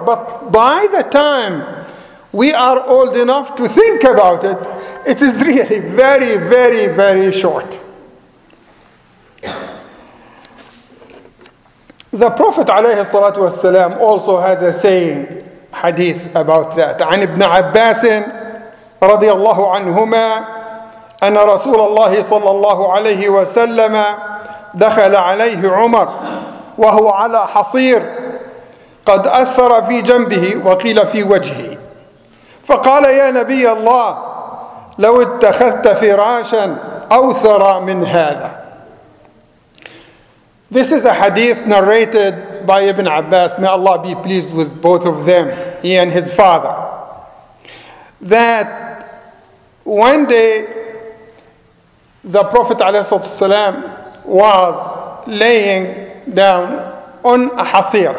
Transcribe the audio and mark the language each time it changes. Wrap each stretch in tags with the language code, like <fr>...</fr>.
<en>But by the time we are old enough to think about it, it is really very, very, very short. The Prophet</en> <ar>عليه الصلاة والسلام</ar> <en>also has a saying, hadith about that.</en> <ar>عن ابن عباس رضي الله عنهما أن رسول الله صلى الله عليه وسلم دخل عليه عمر وهو على حصير قد أثر في جنبه وقيل في وجهه فقال يا نبي الله لو اتخذت فراشا أوثر من هذا.</ar> <en>This is a hadith narrated by Ibn Abbas, may Allah be pleased with both of them, he and his father, that one day the Prophet ﷺ was laying down on a hasir.</en>